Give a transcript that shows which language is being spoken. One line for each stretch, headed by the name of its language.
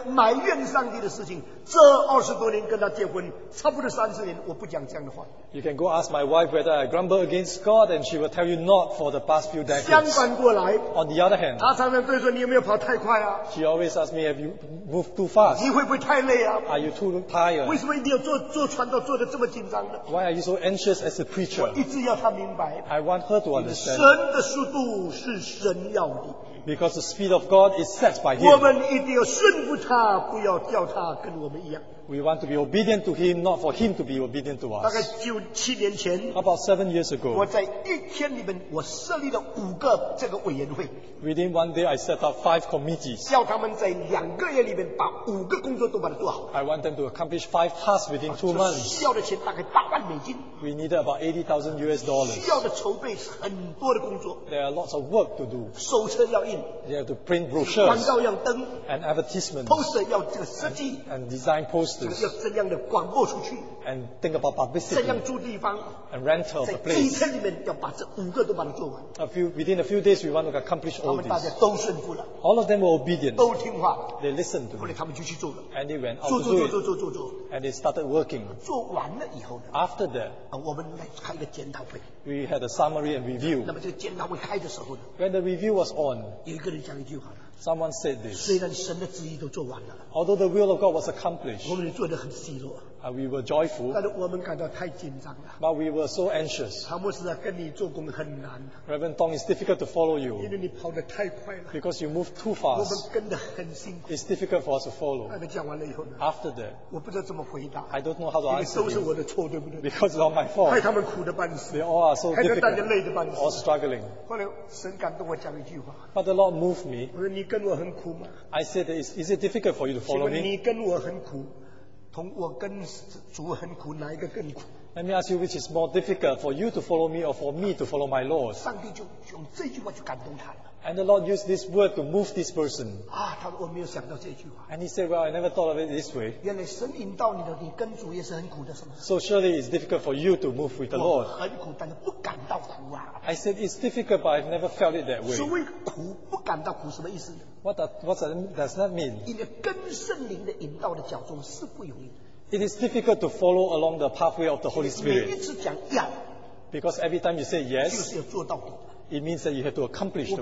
Chinese: 你就是到我家里问我太太，问她有没有埋怨上帝的事情。这二十多年跟他结婚，差不多三十年，我不讲这样的话。
English: You can go ask my wife whether I grumble against God, and she will tell you not for the past few decades.
Chinese: 相反过来,
English: on the other hand,
Chinese: 她常常对说你有没有跑太快啊？
English: She always asks me, have you moved too fast?
Chinese: 你会不会太累啊？
English: Are you too tired?
Chinese: 为什么你要做传道做得这么紧张的？
English: Why are you so anxious as a preacher?
Chinese: 我一直要她明白,
English: I want her to understand.
Chinese: 神的速度是神要的。
English: Because the speed of God is set by Him.
Chinese: 我们一定要顺服他，不要叫他跟我们一样。
English: We want to be obedient to Him, not for Him to be obedient to us.
Chinese: 大概七年前,
English: About 7 years ago,
Chinese: 我在一天里面我设立了五个这个委员会。
English: Within one day, I set up 5 committees.
Chinese: 叫他们在两个月里面把5个工作都把它做好。
English: I want them to accomplish 5 tasks within 2 months.
Chinese: 需要的钱大概8万美金。
English: We needed about $80,000.
Chinese: 需要的筹备是很多的工作。
English: There are lots of work to do.
Chinese: 手册要印。
English: They have to print brochures.
Chinese: 广告要登。
English: And advertisements.
Chinese: Poster 要这个设计。
English: And design posters.
Chinese: 要怎样的广播出去？
English: And think about publicity.
Chinese: 怎样租地方？
English: And rental of the place.
Chinese: 在几天里面要把这五个都把它做完。
English: Within a few days, we want to accomplish all this.
Chinese: 他们大家都顺服了。
English: All of them were obedient.
Chinese: 都听话。
English: They listened to me.
Chinese: 后来他们就去做了。
English: And they went out to do it.
Chinese: 做做做做做做。
English: And they started working.
Chinese: 做完了以后呢？
English: After that,
Chinese: 我们来开一个检讨会。
English: We had a summary and review.
Chinese: 那么这个检讨会开的时候呢？
English: When the review was on,
Chinese: 有一个人讲一句话。
English: Someone said this.
Chinese: 虽然神的旨意都做完了,
English: although the will of God was accomplished,
Chinese: 我们做得很稀落,
English: we were joyful,
Chinese: 但是我们感到太紧张了,
English: but we were so anxious.
Chinese: 唐牧师啊, 跟你做工很难,
English: Reverend Tong, it's difficult to follow you,
Chinese: 因为你跑得太快了,
English: because you move too fast.
Chinese: 我们跟得很辛苦,
English: it's difficult for us to follow.
Chinese: 但是讲完了以后呢,
English: after that,
Chinese: 我不知道怎么回答,
English: I don't know how to answer you,
Chinese: 都是我的错, 对不对?
English: Because it's all my fault.
Chinese: 害他们苦得半死,
English: they all are so difficult, all struggling.
Chinese: 后来神感动我讲一句话,
English: but the Lord moved me.
Chinese: 你跟我很苦吗?
English: I said, is it difficult for you to follow me?
Chinese: 你跟我很苦, 同我跟主很苦, 哪一个更苦?
English: Let me ask you, which is more difficult for you to follow me or for me to follow my Lord?
Chinese: 上帝就用这句话就感动他了。
English: And the Lord used this word to move this person.
Chinese: 啊，他说我没有想到这句话。
English: And he said, well, I never thought of it this way.
Chinese: 原来神引导你的，你跟主也是很苦的，是吗？
English: So surely it's difficult for you to move with the Lord.
Chinese: 我很苦，但是不感到苦啊。
English: I said it's difficult, but I've never felt it that way.
Chinese: 所谓苦，不感到苦，什么意思？
English: What does that mean?
Chinese: 因为跟圣灵的引导的脚中是不容易的。
English: It is difficult to follow along the pathway of the Holy Spirit.
Chinese: 每一次讲要,
English: because every time you say yes,
Chinese: 就是要做到底,
English: it means that you have to accomplish the